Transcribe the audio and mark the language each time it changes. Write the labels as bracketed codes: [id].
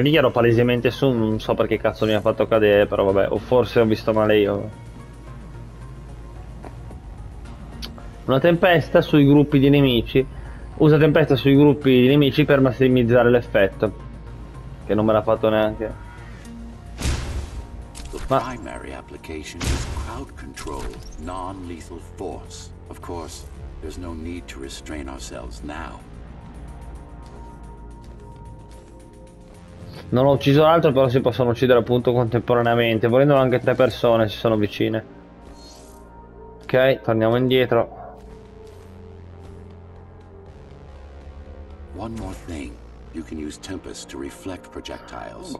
[it] Lì ero palesemente su, non so perché cazzo mi ha fatto cadere, però vabbè, o forse ho visto male io. Una tempesta sui gruppi di nemici. Usa tempesta sui gruppi di nemici per massimizzare l'effetto. Che non me l'ha fatto neanche. [en] The primary application is crowd control, non-lethal force. Of course, there's no need to restrain ourselves now. [it] Non ho ucciso altro, però si possono uccidere appunto contemporaneamente, volendo anche tre persone se sono vicine. Ok, torniamo indietro. [en] One more thing. You can use Tempest to reflect projectiles.